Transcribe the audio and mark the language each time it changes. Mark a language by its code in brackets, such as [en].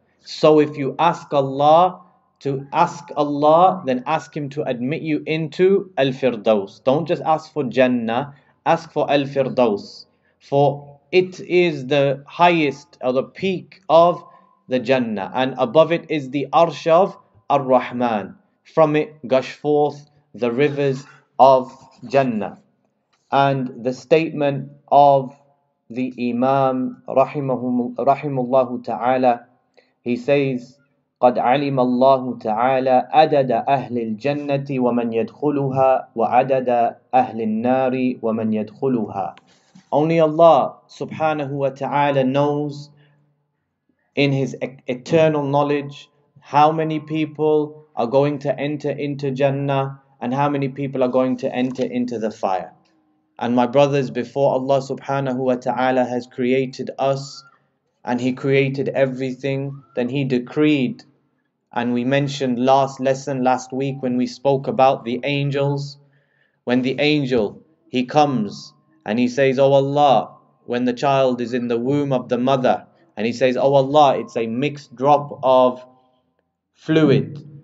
[en] So if you ask Allah to ask Allah, then ask Him to admit you into Al-Firdaus. Don't just ask for Jannah, ask for Al-Firdaus. For it is the highest or the peak of the Jannah, and above it is the Arsh of Ar-Rahman. From it gush forth the rivers of Jannah. And the statement of the Imam rahimahullah ta'ala, he says, [ar] قَدْ عَلِمَ اللَّهُ تَعَالَى أَدَدَ أَهْلِ الْجَنَّةِ وَمَنْ يَدْخُلُهَا وَعَدَدَ أَهْلِ النَّارِ وَمَنْ يَدْخُلُهَا. [en] Only Allah subhanahu wa ta'ala knows in His eternal knowledge how many people are going to enter into Jannah and how many people are going to enter into the fire. And my brothers, before Allah subhanahu wa ta'ala has created us and He created everything, then He decreed, and we mentioned last lesson last week when we spoke about the angels, when the angel, he comes and he says, "Oh Allah," when the child is in the womb of the mother, and he says, "Oh Allah, it's a mixed drop of fluid.